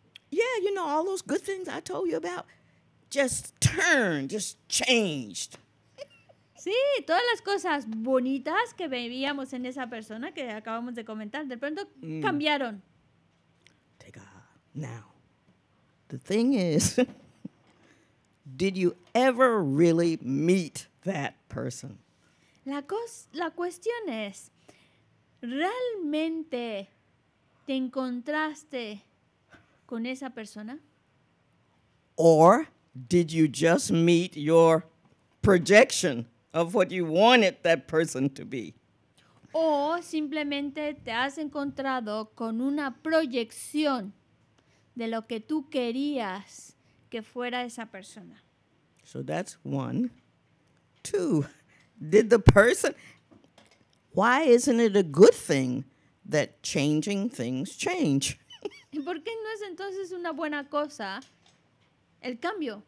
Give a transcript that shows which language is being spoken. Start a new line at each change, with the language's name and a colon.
English: Yeah, you know, all those good things I told you about just changed.
Spanish: Sí, todas las cosas bonitas que veíamos en esa persona que acabamos de comentar, de pronto cambiaron.
English: Take a now. The thing is, did you ever really meet that person?
Spanish: La cuestión es, ¿realmente te encontraste con esa persona?
English: Or did you just meet your projection of what you wanted that person to be?
Spanish: O simplemente te has encontrado con una proyección de lo que tú querías que fuera esa persona.
English: So that's one. Two, did the person... Why isn't it a good thing that changing things change?
Spanish: ¿Por qué no es entonces una buena cosa el cambio?